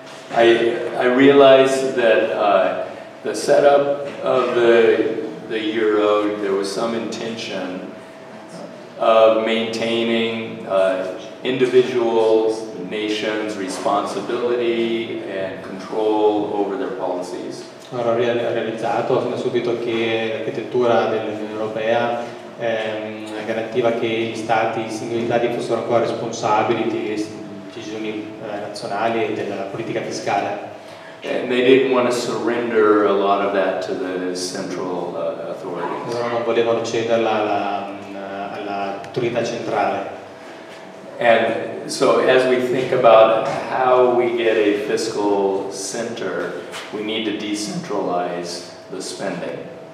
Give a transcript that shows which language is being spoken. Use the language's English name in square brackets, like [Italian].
[English] I realized that the setup of the euro, there was some intention of maintaining individual nations' responsibility and control over their policies. [Italian] Allora, realizzato subito che l'architettura dell'Unione Europea garantiva che gli stati, i singoli stati, fossero ancora responsabili di decisioni nazionali e della politica fiscale. [English] And they didn't want to surrender a lot of that to the central authorities. [Italian] Loro non volevano cederla alla autorità centrale. [English] And so as we think about how we get a fiscal center, we need to decentralize the spending.